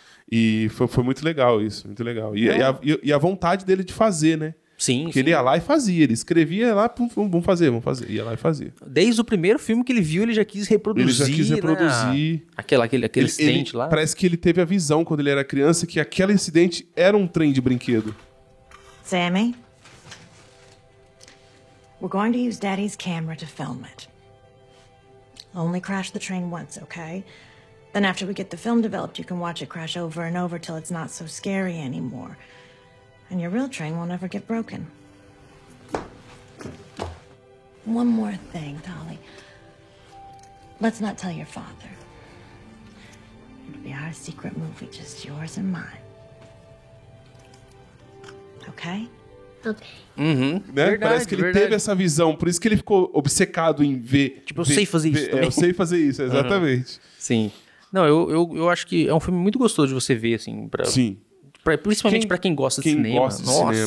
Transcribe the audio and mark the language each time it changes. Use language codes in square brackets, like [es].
[pt] E foi muito legal isso, muito legal. E a vontade dele de fazer, né? Sim. Porque ele ia lá e fazia. Ele escrevia lá, vamos fazer. Ia lá e fazia. Desde o primeiro filme que ele viu, ele já quis reproduzir. Ele já quis reproduzir. Né? Aquele acidente lá. Parece que ele teve a visão quando ele era criança que aquele acidente era um trem de brinquedo. [en] Sammy? We're going to use Daddy's camera to film it. Only crash the train once, okay? Then after we get the film developed, you can watch it crash over and over till it's not so scary anymore. And your real train will never get broken. One more thing, Dolly. Let's not tell your father. It'll be our secret movie, just yours and mine. Okay? Okay. Uhum. [pt] Né? Verdade, parece que ele teve essa visão, por isso que ele ficou obcecado em ver. Tipo, ver, eu sei fazer isso. Eu sei fazer isso, exatamente. Uhum. Sim. Não, eu acho que é um filme muito gostoso de você ver, assim. Pra, sim. Pra, principalmente para quem gosta de quem cinema. Gosta de nossa,